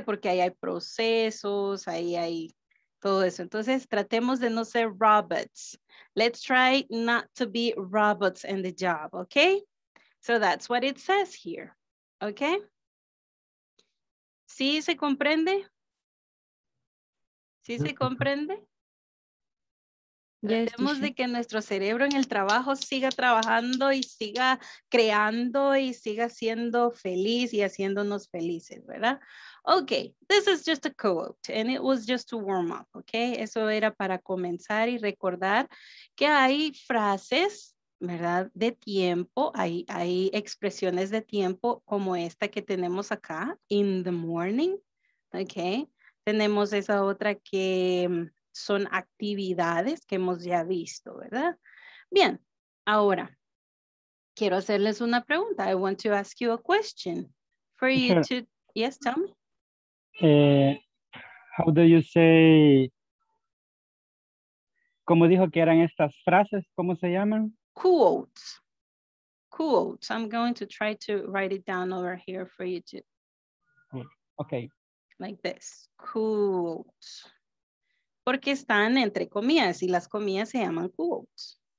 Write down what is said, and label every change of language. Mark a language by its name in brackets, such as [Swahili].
[Spanish] Porque ahí hay procesos, ahí hay todo eso. Entonces, tratemos de no ser robots. [English] Let's try not to be robots in the job. ¿Okay? So that's what it says here. ¿Okay? [Spanish] ¿Sí se comprende? ¿Sí se comprende? [English] Yes, [Spanish] tratemos de que nuestro cerebro en el trabajo siga trabajando y siga creando y siga siendo feliz y haciéndonos felices, ¿verdad? [English] Okay, this is just a quote and it was just to warm up, okay? [Spanish] Eso era para comenzar y recordar que hay frases, ¿verdad? De tiempo, hay expresiones de tiempo como esta que tenemos acá, [English] in the morning, [Spanish] okay? Tenemos esa otra que... son actividades que hemos ya visto, ¿verdad? Bien, ahora, quiero hacerles una pregunta. [English] I want to ask you a question. For you to, yes, tell me. How do you say, [Spanish] como dijo que eran estas frases, ¿cómo se llaman? [English] Quotes. Quotes. I'm going to try to write it down over here for you to. Okay. like this, quote. [Spanish] Porque están entre comillas y las comillas se llaman quotes.